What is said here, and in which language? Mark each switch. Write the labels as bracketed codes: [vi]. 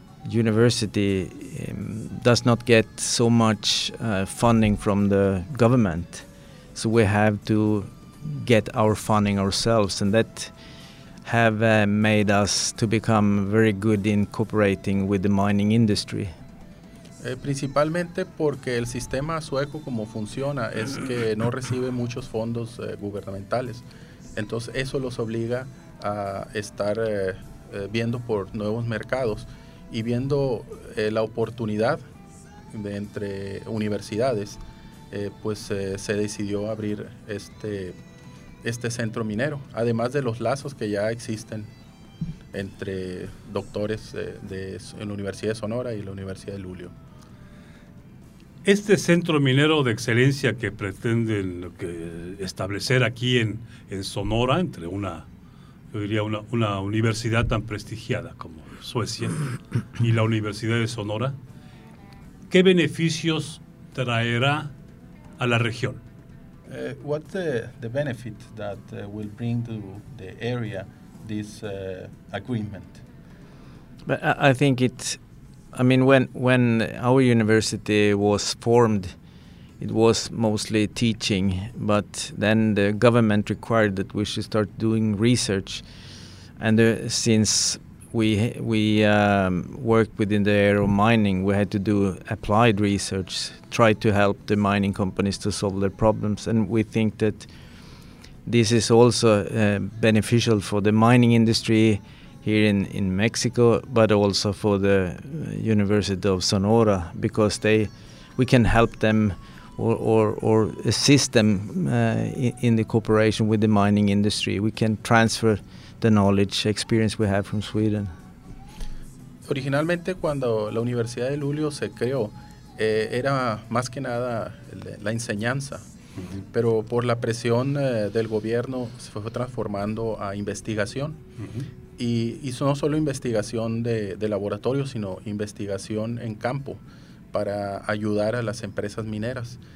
[en] university does not get so much funding from the government, so we have to get our funding ourselves, and that have made us to become very good in cooperating with the mining industry. [es] Principalmente porque el sistema sueco como funciona es que no recibe muchos fondos gubernamentales, entonces eso los obliga a estar viendo por nuevos mercados y viendo la oportunidad de entre universidades, pues se decidió abrir este centro minero, además de los lazos que ya existen entre doctores en la Universidad de Sonora y la Universidad de Luleå. Este centro minero de excelencia que pretenden establecer aquí en Sonora, entre una, yo diría, una universidad tan prestigiada como Suecia y la Universidad de Sonora, ¿qué beneficios traerá a la región? [en] What's the benefit that will bring to the area this agreement? But I think when our university was formed, it was mostly teaching, but then the government required that we should start doing research, and since we worked within the area of mining, we had to do applied research, try to help the mining companies to solve their problems. And we think that this is also beneficial for the mining industry here in Mexico, but also for the University of Sonora, because we can help them or assist them in the cooperation with the mining industry. We can transfer the knowledge, experience we have from Sweden. [es] Originalmente, cuando la Universidad de Luleå se creó, era más que nada la enseñanza, pero por la presión del gobierno se fue transformando a investigación. Y no solo investigación de laboratorio, sino investigación en campo para ayudar a las empresas mineras.